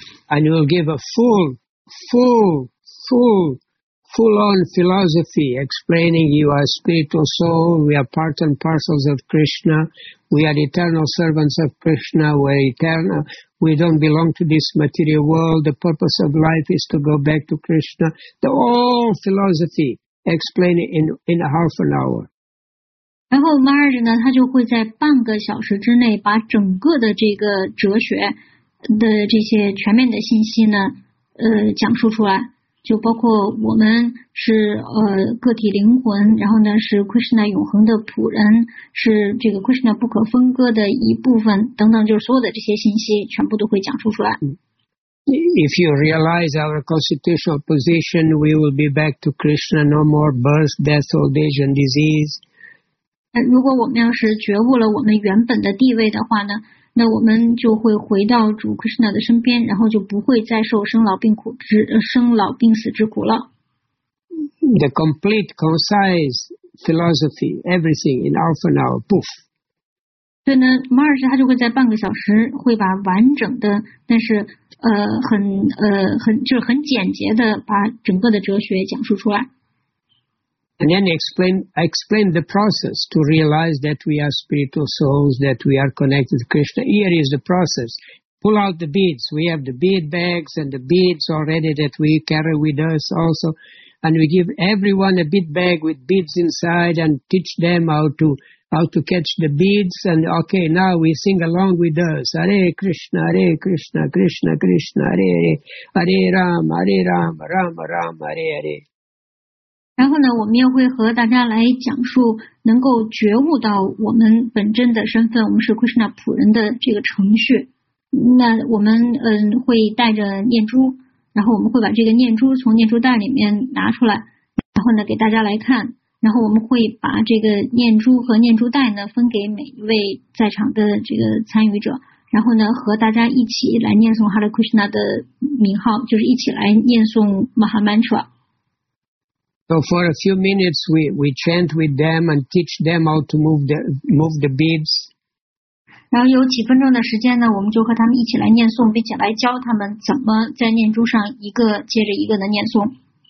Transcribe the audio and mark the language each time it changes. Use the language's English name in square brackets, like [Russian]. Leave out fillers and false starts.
[English] And will give a full-on philosophy explaining you are spiritual soul, we are part and parcels of Krishna, we are eternal servants of Krishna, we are eternal, we don't belong to this material world, the purpose of life is to go back to Krishna. The whole philosophy explained in a half an hour. [Chinese] 然后 Maharaj 呢他就会在半个小时之内把整个的这个哲学的这些全面的信息呢讲述出来。就包括我们是个体灵魂，然后呢是 Krishna 永恒的仆人，是这个 Krishna 不可分割的一部分等等，就是所有的这些信息全部都会讲述出来。 [English] If you realize our constitutional position, we will be back to Krishna, no more birth, death, old age and disease. [Chinese] 如果我们要是觉悟了我们原本的地位的话呢，那我们就会回到主 Krishna 的身边，然后就不会再受生老病死之苦了。 [English] The complete, concise philosophy, everything in half an hour, poof. [Chinese] 所以呢 ，Maharaj 他就会在半个小时会把完整的，但是很简洁的把整个的哲学讲述出来。 [English] And then explain the process to realize that we are spiritual souls, that we are connected to Krishna. Here is the process. Pull out the beads. We have the bead bags and the beads already that we carry with us also. And we give everyone a bead bag with beads inside and teach them how to catch the beads. And okay, now we sing along with us. [Sanskrit] Hare Krishna, Hare Krishna, Krishna Krishna, Hare Hare, Hare Ram, Hare Ram, Ram Ram, Hare Hare. [Chinese] 然后呢我们也会和大家来讲述能够觉悟到我们本真的身份，我们是 Krishna 仆人的这个程序。那我们会带着念珠，然后我们会把这个念珠从念珠袋里面拿出来，然后呢给大家来看，然后我们会把这个念珠和念珠袋呢分给每一位在场的这个参与者，然后呢和大家一起来念诵 Hare Krishna 的名号，就是一起来念诵 Maha Mantra。 [English] So for a few minutes, we chant with them and teach them how to move the beads. [Chinese] 然后有几分钟的时间呢，我们就和他们一起来念诵，并且来教他们怎么在念珠上一个接着一个的念诵。